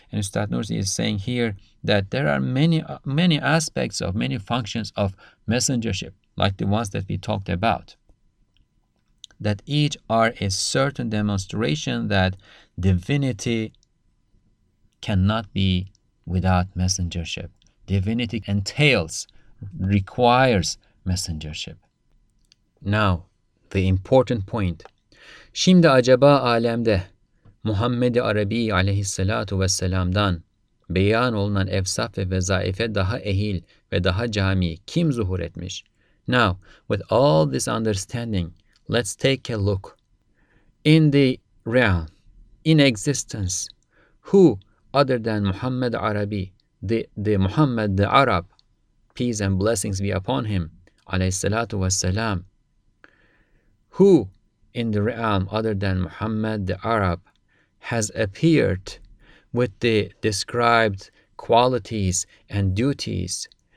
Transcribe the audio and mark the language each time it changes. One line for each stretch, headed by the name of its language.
English: And Ustad Nursi is saying here that there are many, many aspects of many functions of messengership, like the ones that we talked about, that each are a certain demonstration that divinity cannot be without messengership. Divinity entails, requires messengership. Now, the important point.
Turkish: Şimdi acaba alemde Muhammed-i Arabi aleyhissalatu vesselam'dan beyan olunan efsaf ve vezaife daha ehil ve daha cami kim zuhur etmiş?
English: Now, with all this understanding, let's take a look. In the realm, in existence, who other than Muhammad Arabi, the Muhammad the Arab, peace and blessings be upon him,
Arabic: alayhi salatu wassalam,
English: who in the realm other than Muhammad the Arab has appeared with the described qualities and duties?